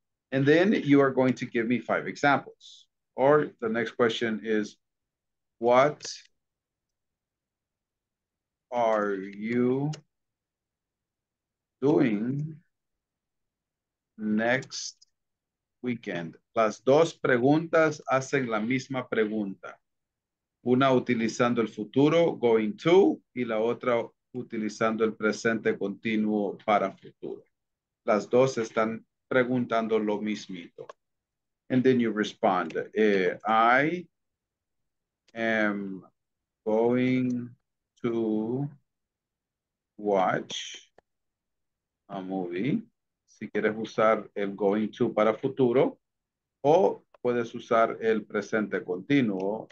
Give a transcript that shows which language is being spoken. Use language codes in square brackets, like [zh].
[en] And then you are going to give me five examples. Or the next question is, what are you doing next weekend? [es] Las dos preguntas hacen la misma pregunta. Una utilizando el futuro, going to, y la otra utilizando el presente continuo para futuro. Las dos están preguntando lo mismito. [en] And then you respond, I am going to watch a movie. [es] Si quieres usar el going to para futuro, o puedes usar el presente continuo.